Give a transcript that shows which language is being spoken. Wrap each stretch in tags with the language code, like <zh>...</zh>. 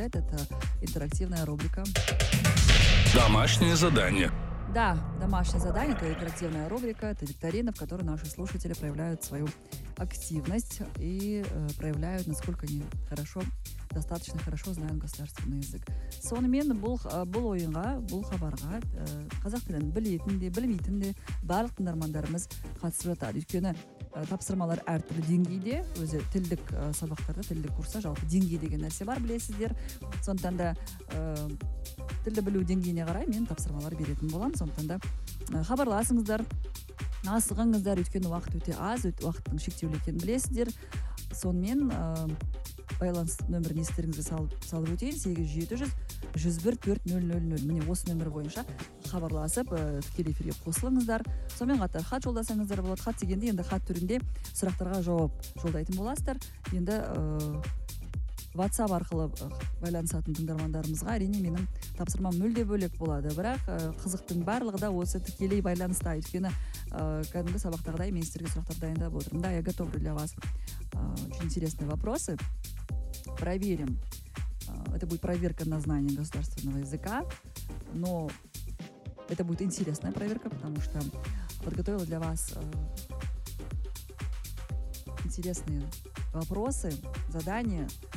<ru>Это интерактивная рубрика. Домашнее задание. Да, домашнее задание – это интерактивная рубрика, это викторина, в которой наши слушатели проявляют свою активность и проявляют, насколько они хорошо, достаточно хорошо знают государственный язык.</ru> <kk>Сонымен бұл ойынға, бұл хабарға қазақ тілін білетін де, білмейтін де барлық тыңдармандарымыз қатысып жатады. Өйткені тапсырмалар әртүрлі деңгейде, өзі тілдік сабақтарда, тілдік курса жалпы деңгей деген нәрсе бар, білесіздер. Сондықтан да тілді білу деңгейіне қарай мен тапсырмалар беретін боламын. Сондықтан да хабарласыңыздар, асығыңыздар, өйткені уақыт өте аз, уақыттың шектеулі екенін білесіздер. Сонымен байланыс нөмірін естеріңізге салып өтейін, 8700-101-4000. Міне осы нөмір бойынша хабарласып, тікелей эфирге қосылыңыздар. Сонымен қатар хат жолдасаңыздар болады. Хат дегенде енді хат түрінде сұрақтарға жауап жолдайтын боласыздар. Енді WhatsApp арқылы байланысатын тыңдармандарымызға әрине менің тапсырмам мүлде бөлек болады. Бірақ қызықтың барлығы да осы тікелей байланыста. Өйткені кәдімгі сабақтағыдай мен сіздерге сұрақтар дайындап отырмын.</kk> <ru>Да, я готов для вас. Очень интересные вопросы. Проверим. Это будет проверка на знание государственного языка. Но это будет интересная проверка, потому что подготовила для вас интересные вопросы, задания.</ru>